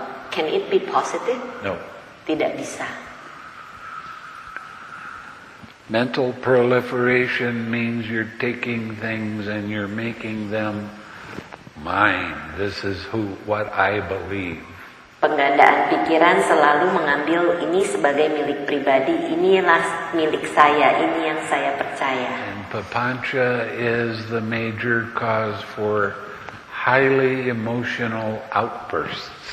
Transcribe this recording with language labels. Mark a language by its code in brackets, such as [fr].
[en] Can it be positive? No. [id] Tidak bisa. [en] Mental proliferation means you're taking things and you're making them mine. This is who, what I believe. [id] Penggandaan pikiran selalu mengambil ini sebagai milik pribadi. Inilah milik saya. Ini yang saya percaya. [en] And papancha is the major cause for highly emotional outbursts.